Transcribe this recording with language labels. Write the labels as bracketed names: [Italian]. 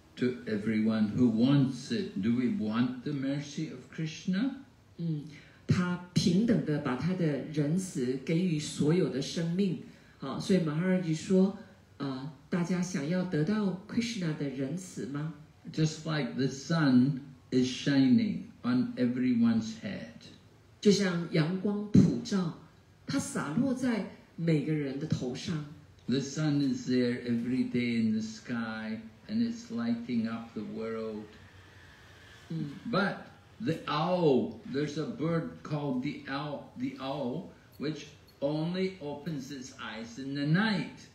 [English] To everyone who wants it, do we want the mercy of Krishna? [Chinese] 嗯，他平等的把他的仁慈给予所有的生命。好，所以 Maharaj 说，大家想要得到 Krishna 的仁慈吗？ [English] Just like the sun is shining on everyone's head. [Chinese] 就像阳光普照，它洒落在每个人的头上。 [English] The sun is there every day in the sky. And it's lighting up the world. But the owl, there's a bird called the owl, which only opens its eyes in the night.